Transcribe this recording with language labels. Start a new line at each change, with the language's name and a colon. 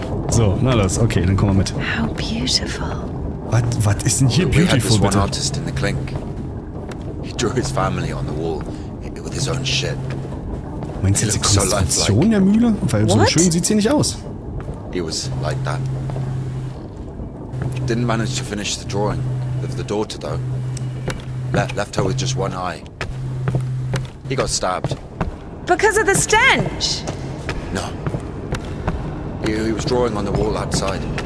German: So, na los, okay, dann kommen wir mit.
English: How beautiful.
German: Was ist denn hier beautiful,
English: bitte? One artist in the clink. He drew his family on the wall with his own shit.
German: Meinst du jetzt die Konstruktion der Mühle? Weil so schön sieht sie nicht aus.
English: It was like that. Didn't manage to finish the drawing of the daughter though. Left her with just one eye. He got stabbed. Because of the stench? No. He knew he was drawing on the wall outside.